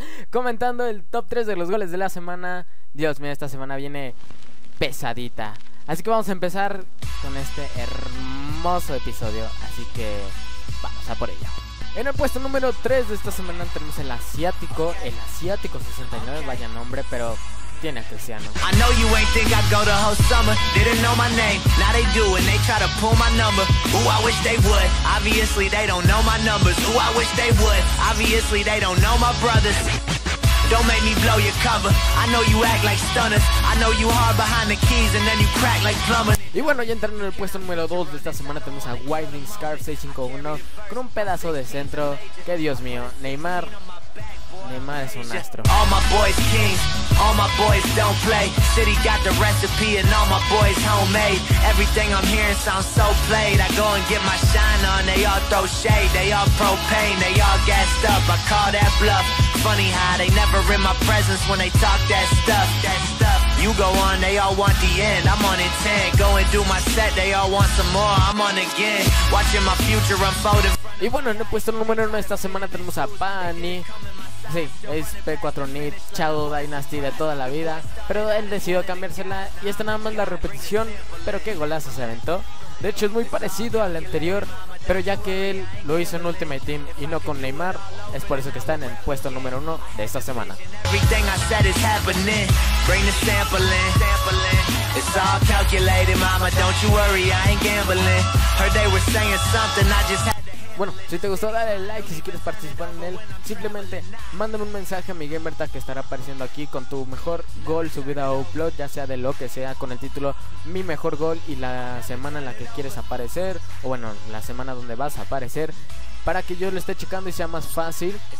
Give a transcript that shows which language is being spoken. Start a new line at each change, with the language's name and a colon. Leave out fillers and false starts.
Spanish: Comentando el top 3 de los goles de la semana. Dios mío, esta semana viene pesadita. Así que vamos a empezar con este hermoso episodio. Así que vamos a por ello. En el puesto número 3 de esta semana tenemos el asiático. El asiático 69, vaya nombre, pero tiene a Cristiano.
English: I know you ain't think I'd go the whole summer. Didn't know my name, now they do. And they try to pull my number. Ooh, I wish they would. Obviously they don't know my numbers. Ooh, I wish they would. Obviously they don't know my brothers. Don't make me blow your cover. I know you act like stunners. I know you hard behind the keys. And then you crack like plumbers.
Spanish: Y bueno, ya entrando en el puesto número 2 de esta semana tenemos a Whitening Scarf 651 con un pedazo de centro. Que Dios mío, Neymar. Neymar es un astro.
English: All my boys kings, all my boys don't play. City got the recipe and all my boys homemade. Everything I'm hearing sounds so played. I go and get my shine on, they all throw shade. They all propane, they all gassed up. I call that bluff. Funny how they never in my presence when they talk that stuff. That stuff. You go on, they all want the end. I'm on intent. Go and do my set, they all want some more. I'm on again. Watching my future unfold.
Spanish: Y bueno, en el puesto número 1 esta semana tenemos a Bunny. Sí, es P4 Need, Shadow Dynasty de toda la vida. Pero él decidió cambiársela y esta nada más la repetición. Pero qué golazo se aventó. De hecho es muy parecido al anterior, pero ya que él lo hizo en Ultimate Team y no con Neymar, es por eso que está en el puesto número 1 de esta semana.
English: Everything I said is happening. Bring the sampling. It's all calculated, mama. Don't you worry, I ain't gambling. Heard they were saying something, I just had.
Spanish: Bueno, si te gustó dale like y si quieres participar en él, simplemente mándame un mensaje a mi gamertag que estará apareciendo aquí con tu mejor gol subida o upload, ya sea de lo que sea, con el título mi mejor gol y la semana en la que quieres aparecer, o bueno, la semana donde vas a aparecer, para que yo lo esté checando y sea más fácil.